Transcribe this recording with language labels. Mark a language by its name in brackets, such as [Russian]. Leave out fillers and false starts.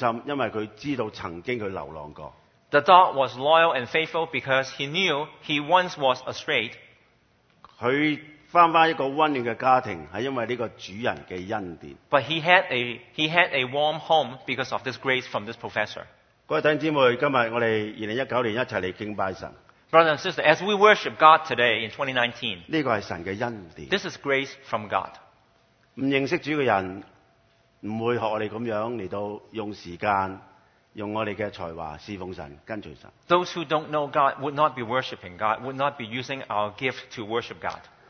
[Chinese] 這隻狗之所以這麼忠心因為它知道曾經它流浪過。 [English] The dog was loyal and faithful because he knew he once was a stray. [Chinese] 他回到一個溫暖的家庭,是因為這個主人的恩典。 [English] But he had a warm home because of this grace from this professor. [Chinese] 各位弟兄姊妹,今天我們2019年一起來敬拜神。 [English] Brothers and sisters, as we worship God today in 2019, [Chinese] 這是神的恩典。 [English] This is grace from God. [Chinese] 不認識主的人,不會學我們這樣來到用時間, 用我們的才華侍奉神跟隨神。 [English] Those who don't know God would not be worshipping God, would not be using our gift to worship God.